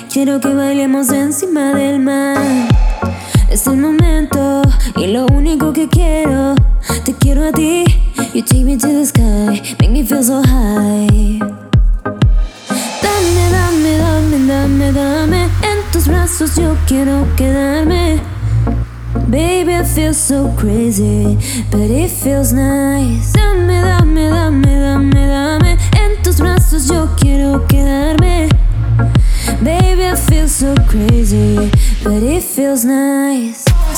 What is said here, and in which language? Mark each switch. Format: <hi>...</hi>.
<es>Quiero que bailemos encima del mar. Es el momento, y lo único que quiero. Te quiero a ti,</es> <en>you take me to the sky. Make me feel so high.</en> <es>Dame, dame, dame, dame, dame. En tus brazos yo quiero quedarme.</es> <en>Baby, I feel so crazy, but it feels nice.</en> <es>Dame, dame, dame, dame, dame. En tus brazos yo quiero quedarme.</es> <en>Baby, I feel so crazy, but it feels nice.</en>